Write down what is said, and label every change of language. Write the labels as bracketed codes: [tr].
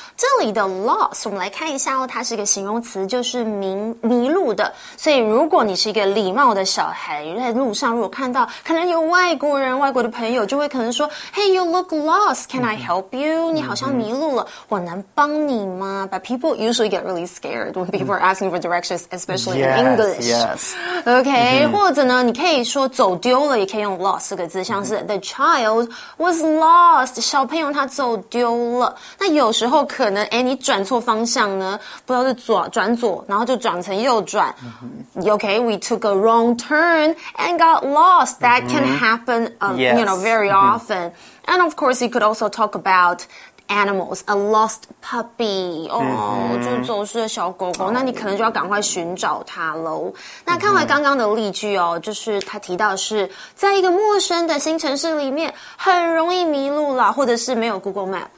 [zh] 这里的 lost, 我们来看一下哦，它是一个形容词，就是迷路的。所以如果你是一个礼貌的小孩，在路上如果看到可能有外国人、外国的朋友，就会可能说 [en] Hey, you look lost, can I help you?、 [zh] Mm-hmm. 你好像迷路了，我能帮你吗？ [en] But people usually get really scared when people are asking for directions, especially yes, in English. Yes, [zh] OK,、mm-hmm. 或者呢你可以说走丢了，也可以用 lost 这个字，像是 [en] The child was lost, [zh] 小朋友他走丢了。那有时候可能你转错方向呢，不知道是左转左，然后就转成右转、mm-hmm. [en] OK, we took a wrong turn and got lost. That、mm-hmm. can happen、yes. you know, very、mm-hmm. often. And of course, you could also talk aboutanimals, a lost puppy. 哦、oh, mm-hmm. [zh] 就走失的小狗狗、oh, 那你可能就要赶快寻找它咯。那看回刚刚的例句哦，就是他提到是在一个陌生的新城市里面很容易迷路啦，或者是没有 Google map.